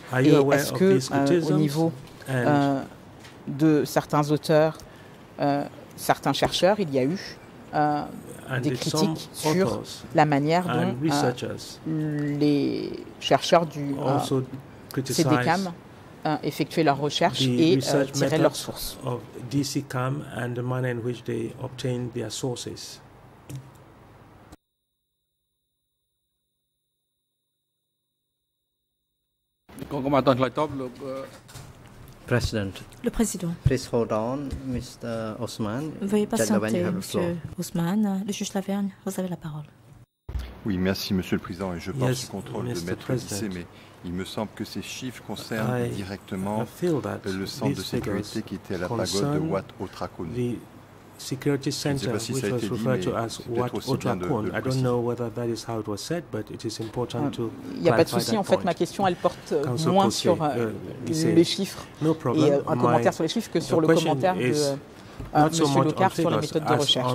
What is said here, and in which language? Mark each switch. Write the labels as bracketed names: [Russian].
[French] Et est-ce que, au niveau de certains auteurs, certains chercheurs, il y a eu des critiques sur la manière dont les chercheurs du CDCAM effectuer leurs recherches et tirer leurs sources. [English] Of DCCAM and the manner in which they obtain their sources. President. [French] Le président. [English] Please hold on, Mr. Osman. [French] Veuillez patienter, Monsieur Osman. Le juge Lavergne, vous avez la parole. Oui, merci, Monsieur le Président, et je pars sous contrôle de Maître Lissé, mais il me semble que ces chiffres concernent directement le centre de sécurité qui était à la pagode de Wat Otrakon. [English] Security center, which was referred to as Wat Otrakon. I don't know whether that is how it was said, but it is important to clarify that point. [French] Il n'y a pas de souci. En fait, ma question, elle porte moins sur les chiffres et un commentaire sur les chiffres que sur le commentaire de Monsieur Lecart sur la méthode de recherche.